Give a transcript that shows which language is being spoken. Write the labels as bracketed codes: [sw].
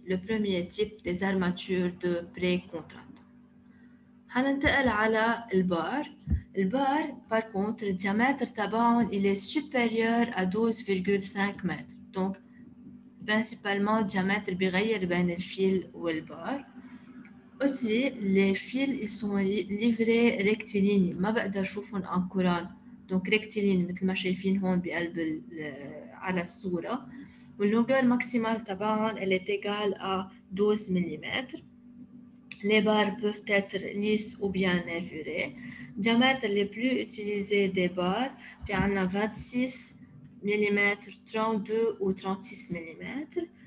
[fr] Le premier type des armatures de pré-contrainte. [ar] حننتقل على البار. [fr] البار par contre le diamètre [ar] تبعهم [fr] il est supérieur à 12,5 mètres. Donc principalement le diamètre [ar] بيغير بين الفيل والبار. [fr] Aussi les fils ils sont livrés rectilignes. [ar] ما بقدر اشوفهم [fr] en couronne. Donc rectiligne [ar] مثل ما شايفين هون بقلب على الصورة. واللونغور ماكسيمال تبعهم [fr] elle est égale à 12 mm. Les barres peuvent être lisses ou bien nervurées. Diamètre les plus utilisés des barres, puis on a 26 mm, 32 ou 36 mm.